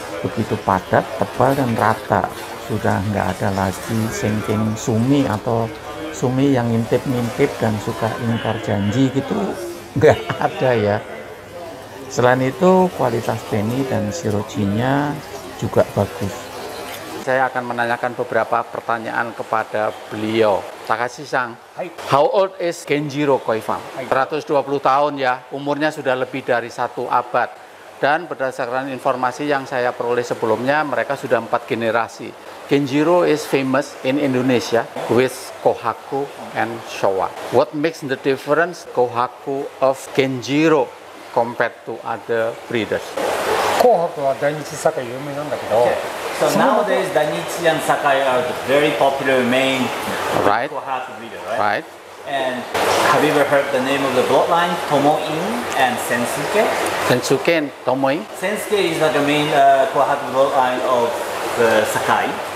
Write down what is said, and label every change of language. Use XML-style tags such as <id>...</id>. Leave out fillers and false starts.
<id>Begitu padat, tebal dan rata. Sudah enggak ada lagi sengking sumi atau sumi yang ngintip-ngintip dan suka ingkar janji gitu. Enggak ada ya. Selain itu, kualitas teni dan sirocinya juga bagus. Saya akan menanyakan beberapa pertanyaan kepada beliau.</id> <en>Takashi-san, how old is Genjiro Koi-fan?</en> <id>120 tahun ya, umurnya sudah lebih dari satu abad. Dan berdasarkan informasi yang saya peroleh sebelumnya, mereka sudah 4 generasi.</id> <en>Genjiro is famous in Indonesia with Kohaku and Showa. What makes the difference Kohaku of Genjiro compared to other breeders?</en> <ja>Kohaku は Dainichi Sakai 有名なんだけど</ja> <en>So nowadays, Dainichi and Sakai are the very popular main right. Kohaku breeder, right? Right. And have you ever heard the name of the bloodline, Tomoin and Sensuke? Sensuke and Tomoin? Sensuke is like the main Kohaku bloodline of the Sakai.</en>